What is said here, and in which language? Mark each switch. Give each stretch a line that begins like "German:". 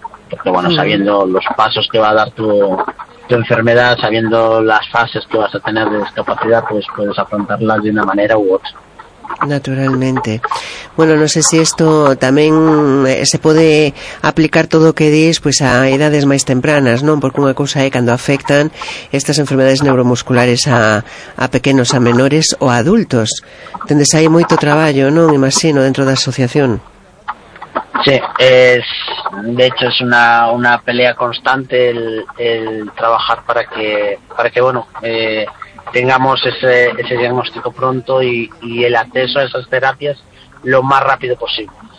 Spanish: Porque bueno, sabiendo los pasos que va a dar tu enfermedad, sabiendo las fases que vas a tener de discapacidad, pues puedes afrontarlas de una manera u otra. Naturalmente. Bueno, no sé si esto también se puede aplicar todo
Galician: o que dís pues a edades máis tempranas, non? Porque unha cousa é cando afectan estas enfermedades neuromusculares a pequenos, a menores ou a adultos. Tendes aí moito traballo, non? Imagino, dentro da asociación.
Spanish: Sí, es, de hecho es una pelea constante el trabajar para que bueno, tengamos ese diagnóstico pronto y el acceso a esas terapias lo más rápido posible.